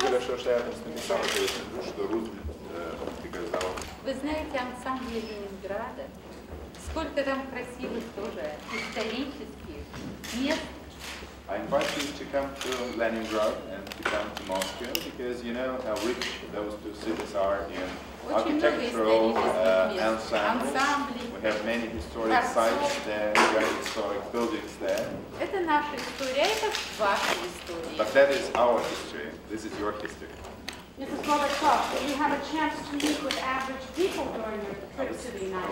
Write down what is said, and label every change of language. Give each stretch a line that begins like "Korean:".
Russian: хорошо, что я просто написал, что я люблю, что Рузвельт приказал. Вы знаете ансамбль Ленинграда? Сколько там красивых тоже исторических мест?
English: I invite you to come to Leningrad and to come to Moscow because you know how rich those two cities are in architectural ensembles. We have many historic sites there, very historic buildings there.
Russian: Это наша история, это ваша история.
English: But that is our history. This is your history. Mrs. Gorbachev, you have a chance to meet with average people during your trip to the United States.